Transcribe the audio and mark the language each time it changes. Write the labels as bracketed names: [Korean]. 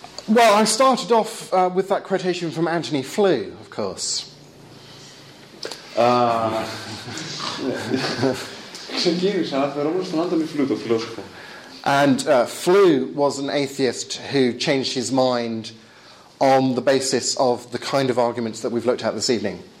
[English] Well, I started off with that quotation from Anthony Flew, of course. [Greek] Ξεκίνησα να αναφερόμουν στον Anthony Flew, το φιλόσοφο. [English] And Flew was an atheist who changed his mind on the basis of the kind of arguments that we've looked at this evening.